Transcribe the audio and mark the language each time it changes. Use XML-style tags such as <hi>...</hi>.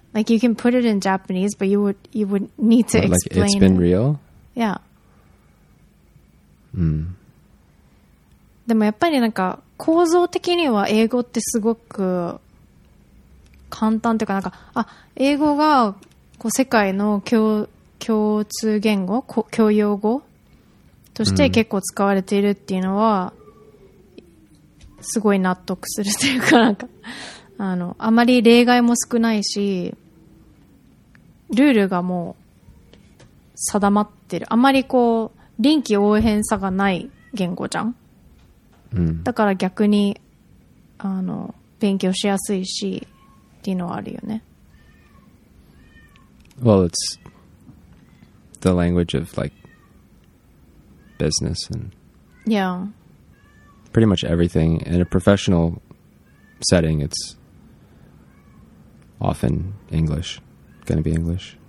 <en>Like, you can put it in Japanese, but you would need to explain it. Like, it's been real? Yeah. Hmm.</en> <ja>でもやっぱりなんか構造的には英語ってすごく簡単というか、なんか、あ、英語がこう世界の共通言語、共用語として結構使われているっていうのはすごい納得するというか、なんかあまり例外も少ないし、ルールがもう定まってる。あまりこう臨機応変さがない言語じゃん。だから逆に勉強しやすいしっていうのはあるよね。</ja> <en>Well, it's the language of like business and yeah, pretty much everything. In a professional setting, it's often English, going to be English.</en>